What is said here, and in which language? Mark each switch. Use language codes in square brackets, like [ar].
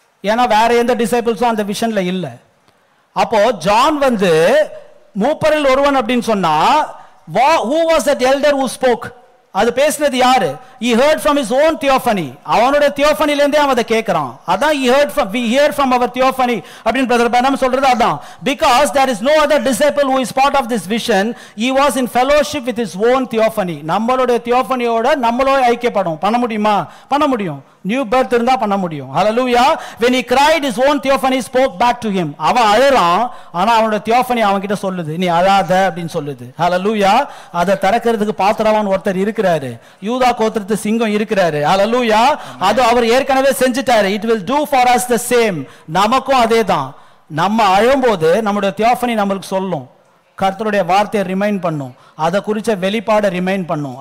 [ta] ஏனா வேற எந்த டிசைபிள்ஸும் அந்த விஷன்ல இல்ல. அப்போ ஜான் வந்து மூப்பரில் ஒருவன் அப்படின்னு சொன்னா, [en] who was that elder who spoke? [ta] அது பேசினது யாரு? [en] He heard from his own theophany. [ta] அவனுடைய theophany லேந்தே அவன் அதை கேட்கிறான். அதான் [en] we hear from our theophany [ta] அப்படின்னு பிரதர் பிரானம் சொல்றது அதான். [en] Because there is no other disciple who is part of this vision, he was in fellowship with his own theophany. [ta] நம்மளுடைய theophanyயோட நம்மளோ ஐக்கியப்படும். பண்ண முடியுமா? பண்ண முடியும். நியூ பர்த் இருந்தா பண்ண முடியும். ஹல்லேலூயா. [en] When he cried, his own theophany spoke back to him. [ta] அவன் அழறான், ஆனா அவனுடைய theophany அவன் கிட்ட சொல்லுது, நீ அழாத அப்படின்னு சொல்லுது. ஹல்லேலூயா. அதை திறக்கிறதுக்கு பாத்திரமான ஒருத்தர் இருக்கிறாரு, யூதா கோத்திரத்து சிங்கம் இருக்கிறாரு. ஹல்லேலூயா. அது அவர் ஏற்கனவே செஞ்சிட்டாரு. [en] It will do for us the same. [ta] நமக்கும் அதே தான். நம்ம அழும் போது நம்முடைய theophany நம்மளுக்கு சொல்லும், கர்த்தருடைய வார்த்தையை ரிமைண்ட் பண்ணும், அதை குறிச்ச வெளிப்பாடை ரிமைண்ட் பண்ணும்.